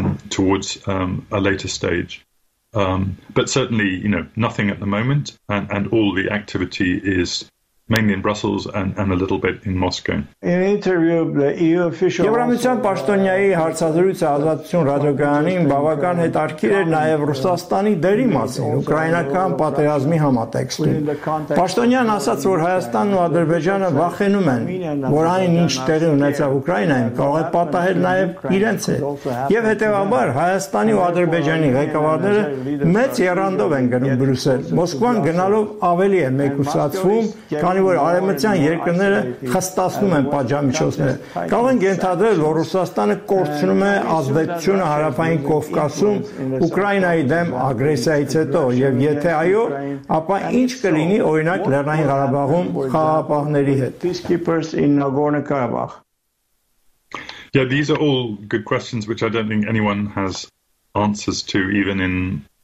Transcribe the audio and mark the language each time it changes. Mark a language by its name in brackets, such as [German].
[English] Towards a later stage, but certainly, you know, nothing at the moment, and all the activity is mainly in Brussels and a little bit in Moscow. In an interview, the EU official. [Armenian] Եվրամիության պաշտոնյայի հարցազրույցը ազատություն ռադիոգրաֆին բավական հետաքրքիր էր նաև Ռուսաստանի դերի մասին ուկրաինական պատերազմի համատեքստում։ Պաշտոնյան ասաց, որ Հայաստանն ու Ադրբեջանը վախենում են, որ այն ինչ տեղի ունեցավ Ուկրաինայում կարող է պատահել նաև իրենց հետ։ Եվ հետևաբար Հայաստանի ու Ադրբեջանի ղեկավարները մեծ եռանդով են գնում Բրյուսել, Մոսկվան գնալով ավելի է մեկուսացվում, քանի որ արևմտյան երկրները խստացնում են պատժամիջոցները։ Կարող ենք ենթադրել, որ Ռուսաստանը կորցնում է ազդեցությունը Հարավային Կովկասում Ուկրաինայի դեմ ագրեսիայից հետո, եւ եթե այո, ապա ինչ կլինի օրինակ Լեռնային Ղարաբաղում խաղապահների հետ։ [English] Yeah, these are all good questions which I don't think anyone has answers to even in